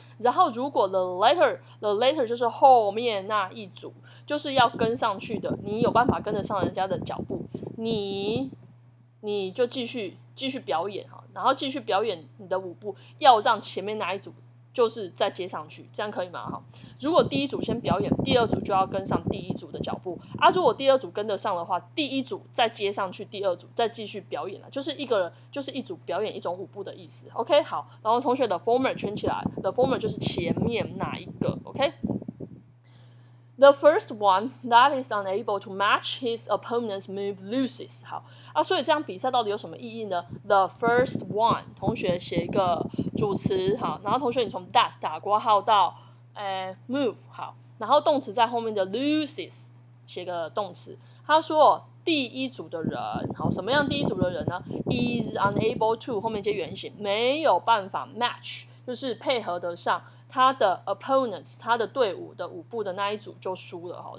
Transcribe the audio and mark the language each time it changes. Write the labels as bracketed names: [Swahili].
[Chinese] 然后如果 the latter 就是后面那一组，就是要跟上去的，你有办法跟得上人家的脚步，你就继续表演，然后继续表演你的舞步，要让前面那一组就是再接上去，这样可以吗？如果第一组先表演，第二组就要跟上第一组的脚步啊。如果第二组跟得上的话，第一组再接上去，第二组再继续表演，就是一个人就是一组表演一种舞步的意思。 OK， 好，然后同学的 former 圈起来， the former 就是前面那一个。 [English] OK， the first one that is unable to match his opponent's move loses。 [Chinese] 好啊，所以这样比赛到底有什么意义呢？ [English] The first one， [Chinese] 同学写一个主词，好，然后同学你从 that 打括号到move， 好，然后动词在后面的 loses 写个动词。他说第一组的人，好，什么样第一组的人呢 ？ [English] Is unable to [Chinese] 后面接原形，没有办法 match， 就是配合得上他的 opponents， 他的队伍的舞步的那一组就输了。